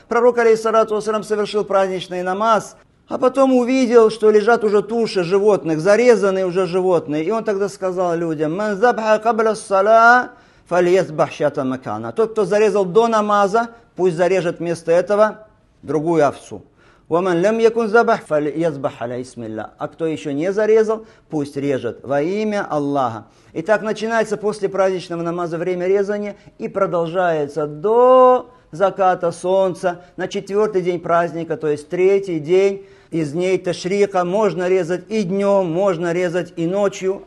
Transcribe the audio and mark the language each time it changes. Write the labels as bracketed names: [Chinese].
[Russian] Пророк, алейхиссалату вассалям, совершил праздничный намаз, а потом увидел, что лежат уже туши животных, зарезанные уже животные. И он тогда сказал людям: [Arabic] «Ман забха кабля ссала, фальез бахшата макана». [Russian] Тот, кто зарезал до намаза, пусть зарежет вместо этого другую овцу. [Arabic] ومن لم يكن ذبح فليذبح على اسم الله. [Russian] А кто еще не зарезал, пусть режет во имя Аллаха. Итак, начинается после праздничного намаза время резания и продолжается до заката солнца на четвертый день праздника, то есть третий день из дней Ташрика. Можно резать и днем, можно резать и ночью.